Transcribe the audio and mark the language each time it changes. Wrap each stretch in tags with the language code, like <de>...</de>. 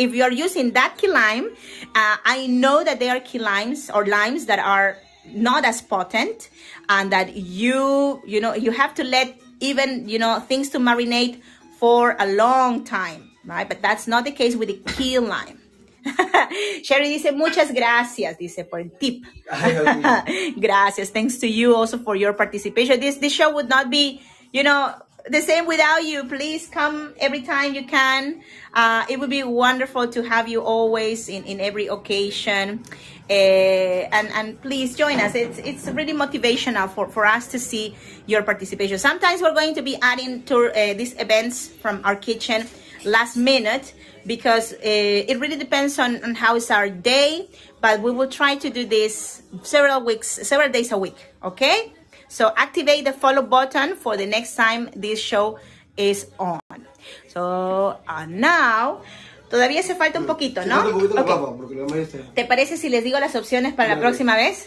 <en>If you're using that key lime, I know that there are key limes or limes that are not as potent and that you have to let even, you know, things to marinate for a long time, right? But that's not the case with the key lime.</en> <es>Sherry dice, muchas gracias, dice, por el tip.</es> <en>Gracias. Thanks to you also for your participation. This show would not be, you know, The same without you. Please come every time you can. It would be wonderful to have you always in every occasion. And please join us. It's really motivational for us to see your participation. Sometimes we're going to be adding to these events from our kitchen last minute, because it really depends on how is our day. But we will try to do this several days a week. Okay? So activate the follow button for the next time this show is on. So now,</en> <es>todavía hace falta un poquito, ¿no?</es> <en>Okay.</en> <es>¿Te parece si les digo las opciones para la próxima vez?</es>